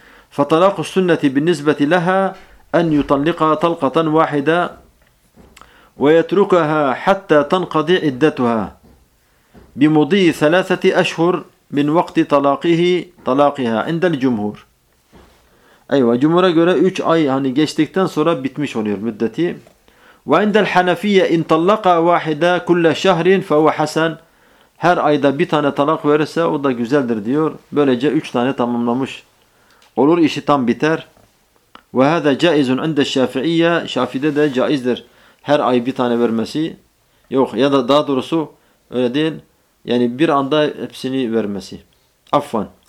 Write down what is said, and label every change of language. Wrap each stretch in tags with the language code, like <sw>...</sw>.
<ar>فطلاق السنة بالنسبة لها أن يطلقها طلقة واحدة ويتركها حتى تنقضي عدتها بمضي ثلاثة أشهر من وقت طلاقها عند الجمهور.</ar> <tr>أيوة جمهورا göre 3 ay hani geçtikten sonra bitmiş oluyor müddeti.</tr> <ar>وعند الحنفية إن طلق واحدة كل شهر فهو حسن.</ar> <tr>Her ayda bir tane talak verirse o da güzeldir diyor. Böylece 3 tane tamamlamış olur, işi tam biter.</tr> <ar>Ve hâzâ caizun inde şafi'iyye.</ar> <tr>Şafi'de de caizdir her ay bir tane vermesi. Yok, ya da daha doğrusu öyle değil. Yani bir anda hepsini vermesi. Affan.</tr>